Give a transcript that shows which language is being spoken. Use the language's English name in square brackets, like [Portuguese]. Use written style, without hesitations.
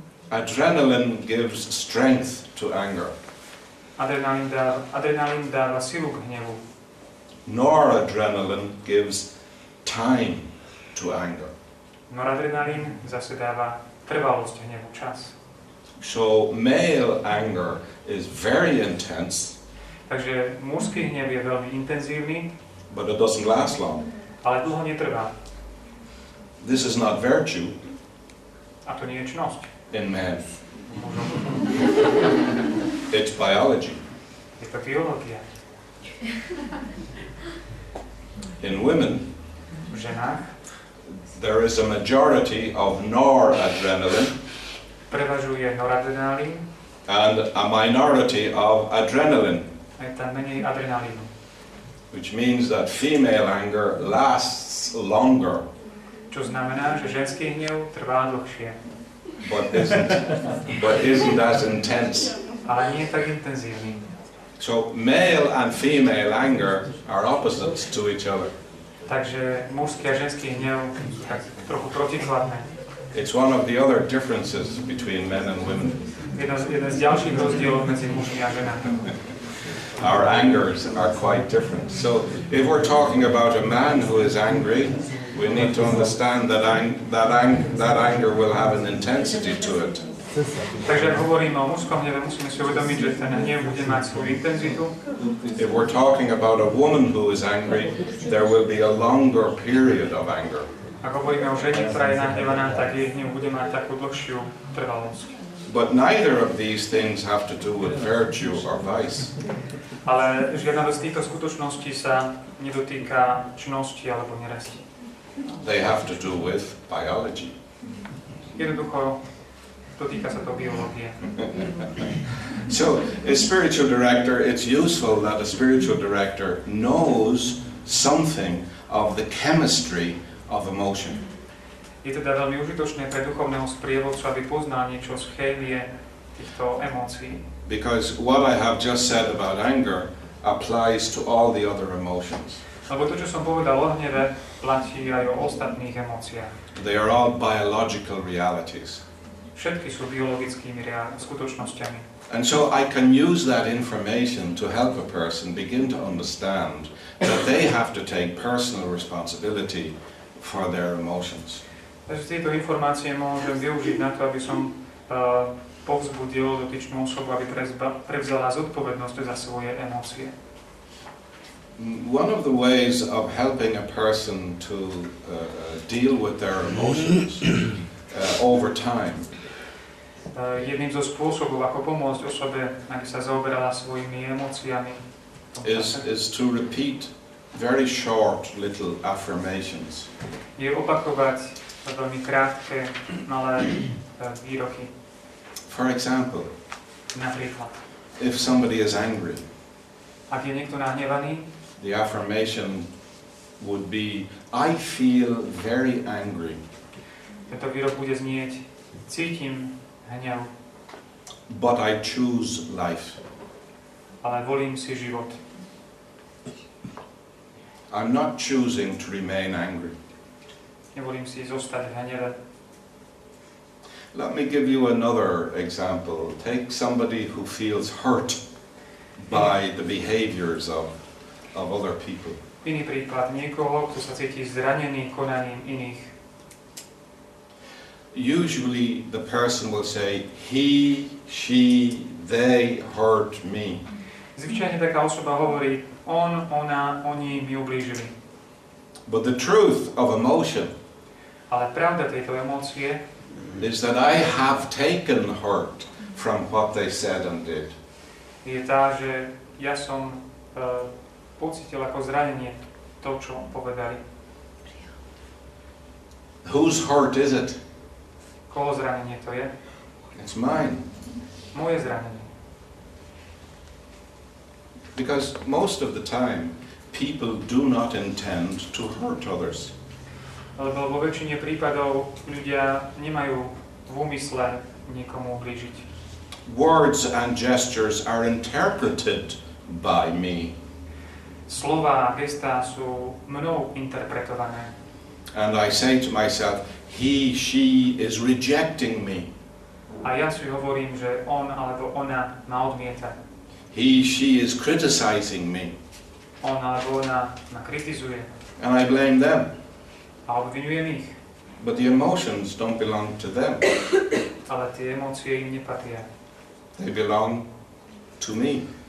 [English] Adrenaline gives strength to anger. [Slovak] Adrenalin dáva silu k hnevu. [English] Noradrenaline gives time to anger. [Slovak] Noradrenalin zase dáva trvalosť hnevu, čas. [English] So male anger is very intense. [Slovak] Takže mužský hnev je veľmi intenzívny. [English] But it doesn't last long. [Slovak] Ale dlho netrvá. [English] This is not virtue. [Slovak] A to nie je čnosť. [English] In man. It's biology. [Slovak] Je to biológia. [English] In women, [Slovak] v ženách, [English] there is a majority of noradrenaline. [Slovak] Prevažuje noradrenalín. [English] And a minority of adrenaline. [Slovak] A je tam menej adrenalínu. [English] Which means that female anger lasts longer. [Slovak] Čo znamená, že ženský hnev trvá dlhšie. [English] But isn't as intense. [Slovak] Ale nie je tak intenzívny. [English] So male and female anger are opposites to each other. [Slovak] Takže mužský a ženský hnev tak trochu protichladné. [English] It's one of the other differences between men and women. [Slovak] Jeden z ďalších rozdielov medzi mužmi a ženami. [English] Our angers are quite different. So if we're talking about a man who is angry, we need to understand that anger will have an intensity to it. [Slovak] Takže hovoríme o mužskom hneve, musíme si uvedomiť, že ten hnev bude mať svoju intenzitu. [English] If we're talking about a woman who is angry, there will be a longer period of anger. [Slovak] Ak hovoríme o žene, ktorá je nahnevaná, tak jej hnev bude mať takú dlhšiu trvalosť. [English] But neither of these things have to do with virtue or vice. [Slovak] Ale žiadna z týchto skutočností sa nedotýka čnosti alebo neresti. [English] They have to do with biology. [Slovak] Jednoducho, dotýka sa to biológie. [English] So, a spiritual director, it's useful that a spiritual director knows something of the chemistry of emotion. [Slovak] Je teda veľmi užitočné pre duchovného sprievodcu, aby poznal niečo z chémie týchto emócií. [English] Because what I have just said about anger applies to all the other emotions. [Slovak] Lebo to, čo som povedal o hneve, platí aj o ostatných emóciách. [English] They are all biological realities. [Slovak] Všetky sú biologickými skutočnosťami. [English] And so I can use that information to help a person begin to understand that they have to take personal responsibility for their emotions. [Slovak] Takže tieto informácie môžem využiť na to, aby som povzbudil dotyčnú osobu, aby prevzala zodpovednosť za svoje emócie. [English] One of the ways of helping a person to deal with their emotions over time. [Slovak] Jedným zo spôsobov, ako pomôcť osobe, aby sa zaoberala svojimi emóciami, [English] is to repeat very short little affirmations. [Slovak] Je opakovať veľmi krátke, malé výroky. [English] For example, [Slovak] napríklad, [English] if somebody is angry, [Slovak] ak je niekto nahnevaný, [English] the affirmation would be, I feel very angry. [Slovak] Tento výrok bude znieť, cítim hnev. [English] But I choose life. [Slovak] Ale volím si život. [English] I'm not choosing to remain angry. [Slovak] Nevolím si zostať v hneve. [English] Let me give you another example. Take somebody who feels hurt by the behaviors of other people. [Slovak] Iný príklad, niekoho, kto sa cíti zranený konaním iných. [English] Usually the person will say, he, she, they hurt me. [Slovak] Zvyčajne taká osoba hovorí, on, ona, oni mi ublížili. [English] But the truth of emotion, [Slovak] ale pravda tejto emócie, [English] is that I have taken hurt from what they said and did. [Slovak] Je tá, že ja som pocítil ako zranenie to, čo povedali. [English] Whose hurt is it? [Slovak] Koho zranenie to je? [English] It's mine. [Slovak] Moje zranenie. [English] Because most of the time, people do not intend to hurt others. [Slovak] Lebo vo väčšine prípadov ľudia nemajú v úmysle niekomu ublížiť. [English] Words and gestures are interpreted by me. [Slovak] Slová a gestá sú mnou interpretované. [English] And I say to myself, he, she is rejecting me. [Slovak] A ja si hovorím, že on alebo ona ma odmieta. [English] He, she is criticizing me. [Slovak] On alebo ona ma kritizuje. [English] And I blame them. [Slovak] A obvinujem ich. [English] But the emotions don't belong to them. [Slovak] Ale tie emócie im nepatria. [English] They belong to me.